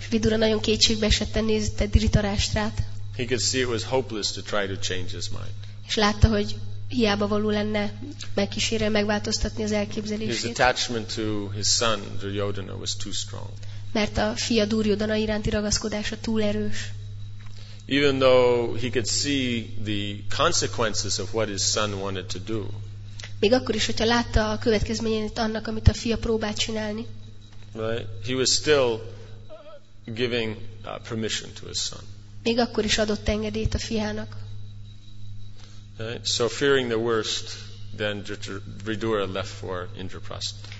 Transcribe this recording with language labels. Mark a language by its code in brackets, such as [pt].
[hu] Vidura nagyon kétségbe esetten nézte Dhritarashtrát. [en] He could see it was hopeless to try to change his mind. [hu] És látta, hogy hiába való lenne megkísérel megváltoztatni az elképzelését. [en] His attachment to his son Duryodhana was too strong. [hu] Mert a fia Duryodhana iránti ragaszkodása túl erős. [en] Even though he could see the consequences of what his son wanted to do. [hu] Még akkor is, hogyha látta a következményeit annak, amit a fia próbált csinálni. [en] Right? He was still giving permission to his son. [hu] Még akkor is adott engedélyt a fiának. [en] Right? So fearing the worst, then Vidura left for Indraprastha.